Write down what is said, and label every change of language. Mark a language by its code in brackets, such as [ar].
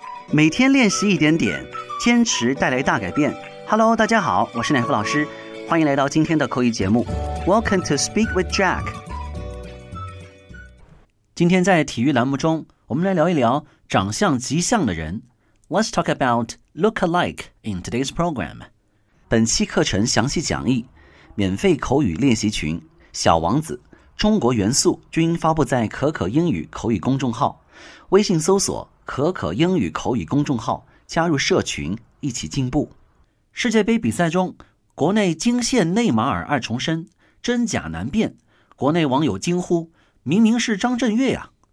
[zh] 每天练习一点点，坚持带来大改变。 Hello， 大家好，我是乃夫老师，欢迎来到今天的口语节目。 [en] Welcome to Speak with Jack。 [zh] 今天在体育栏目中，我们来聊一聊长相极像的人。 [en] Let's talk about look-alike in today's program。 [zh] 本期课程详细讲义、免费口语练习群、小王子、中国元素均发布在可可英语口语公众号。微信搜索可可英语口语公众号，加入社群，一起进步。世界杯比赛中，国内惊现内马尔二重身，真假难辨，国内网友惊呼，明明是张震岳啊。